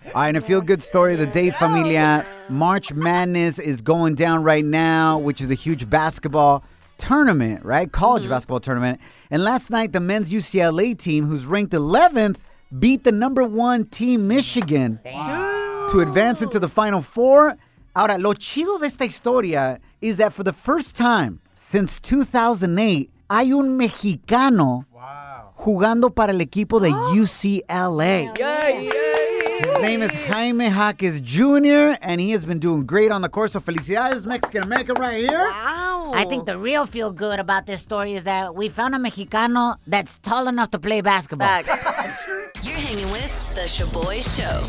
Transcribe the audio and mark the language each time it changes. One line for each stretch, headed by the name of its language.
English: All right, and a feel-good story of the day, familia. March Madness is going down right now, which is a huge basketball tournament, right? College basketball tournament. And last night, the men's UCLA team, who's ranked 11th, beat the number one team, Michigan, to advance into the Final Four.
Spanish: Ahora, lo chido de esta historia
English: is that for the first time since 2008,
Spanish: hay un mexicano jugando para el equipo de UCLA.
English: His name is Jaime Jaquez Jr., and he has been doing great on the course. So felicidades, Mexican America right here. Wow. I think the real feel good about this story is that we found a mexicano that's tall enough to play basketball. Facts. You're hanging with the Shaboy Show.